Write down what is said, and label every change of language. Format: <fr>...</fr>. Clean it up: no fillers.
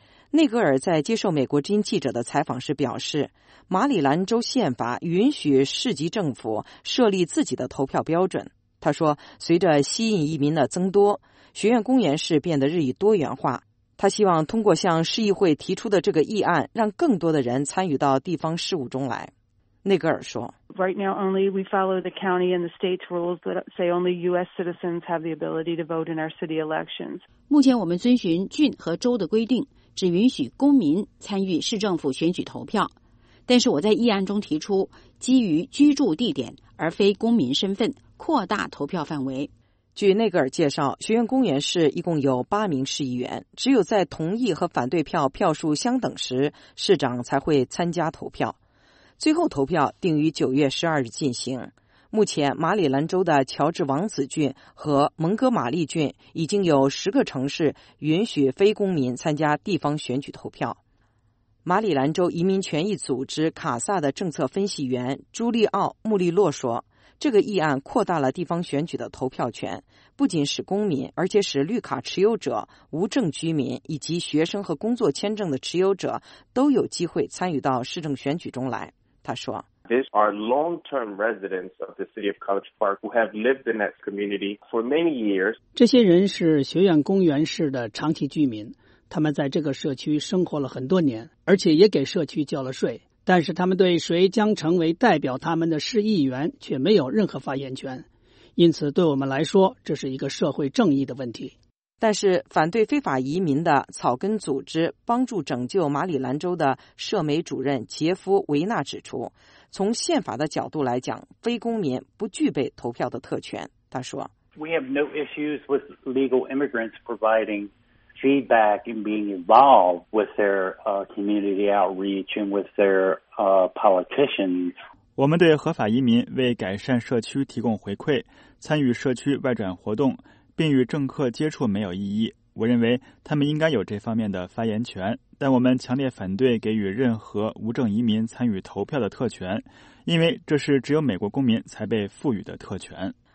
<zh>内格尔在接受美国之音记者的采访时表示，马里兰州宪法允许市级政府设立自己的投票标准。他说，随着吸引移民的增多，学院公园市变得日益多元化。他希望通过向市议会提出的这个议案，让更多的人参与到地方事务中来。内格尔说，</zh> <en>Right now only we follow the county and the state's rules that say only U.S. citizens have the ability to vote in our city elections.</en> <zh>目前我们遵循郡和州的规定，只允许公民参与市政府选举投票。但是我在议案中提出，基于居住地点而非公民身份，扩大投票范围。据内格尔介绍，学院公园市一共有8名市议员，只有在同意和反对票票数相等时，市长才会参加投票。最后投票定于9月12日进行。目前马里兰州的乔治王子郡和蒙哥马利郡已经有10个城市允许非公民参加地方选举投票。马里兰州移民权益组织卡萨的政策分析员朱利奥·穆利洛说，这个议案扩大了地方选举的投票权，不仅使公民，而且使绿卡持有者、无证居民以及学生和工作签证的持有者都有机会参与到市政选举中来。他说，</zh> <en>These are long-term residents of the city of College Park who have lived in that community for many years.</en> <zh>这些人是学院公园市的长期居民，他们在这个社区生活了很多年，而且也给社区交了税，但是他们对谁将成为代表他们的市议员却没有任何发言权，因此对我们来说这是一个社会正义的问题。但是反对非法移民的草根组织帮助拯救马里兰州的社媒主任杰夫·维纳指出，从宪法的角度来讲，非公民不具备投票的特权。他说，</zh> <en>We have no issues with legal immigrants providing feedback and being involved with their community outreach and with their politicians.</en> <zh>我们对合法移民为改善社区提供回馈、参与社区外转活动并与政客接触没有异议，我认为他们应该有这方面的发言权，但我们强烈反对给予任何无证移民参与投票的特权，因为这是只有美国公民才被赋予的特权。</zh>